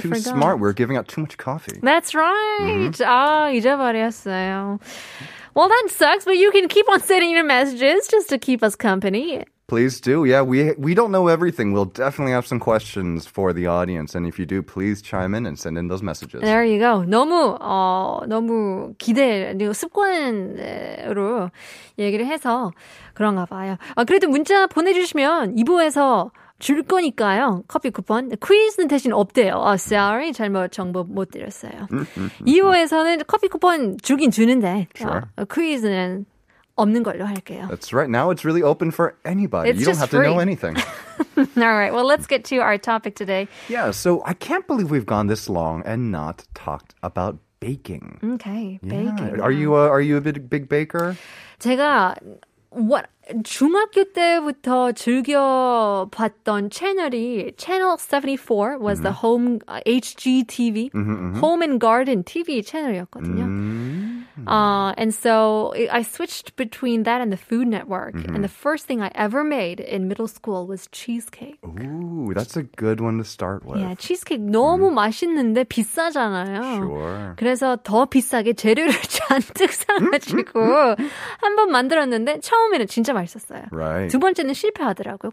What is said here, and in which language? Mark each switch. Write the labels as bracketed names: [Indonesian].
[English] Y'all were too smart. We're giving out too much coffee. That's right. Mm-hmm. [Korean] 잊어버렸어요. [English] Well, that sucks, but you can keep on sending your messages just to keep us company. Please do. Yeah, we don't know everything. We'll definitely have some questions for the audience. And if you do, please chime in and send in those messages. There you go. [Korean] 너무 기대, 습관으로 얘기를 해서 그런가 봐요. 그래도 문자 보내주시면 2부에서 줄 거니까요. 커피 쿠폰. 퀴즈는 대신 없대요. [English] Sorry. [Korean] 잘못 정보 못 드렸어요. 2부에서는 커피 쿠폰 주긴 주는데 퀴즈는 없는 걸로 할게요. [English] That's right. Now it's really open for anybody. It's you don't have free. To know anything. All right. Well, let's get to our topic today. Yeah. So I can't believe we've gone this long and not talked about baking. Okay. Yeah. Baking. Are you a big baker? [Korean] 제가 중학교 때부터 즐겨 봤던 채널이 [English] Channel 74 was the home HGTV, Home and Garden TV [Korean] 채널이었거든요. [English] And so I switched between that and the Food Network. Mm-hmm. And the first thing I ever made in middle school was cheesecake. Ooh, that's a good one to start with. [Korean] Yeah, cheesecake 너무 맛있는데 비싸잖아요. [English] Sure. [Korean] 그래서 더 비싸게 재료를 잔뜩 사가지고 한번 만들었는데 처음에는 진짜 맛있었어요. [English] Right. [Korean] 두 번째는 실패하더라고요.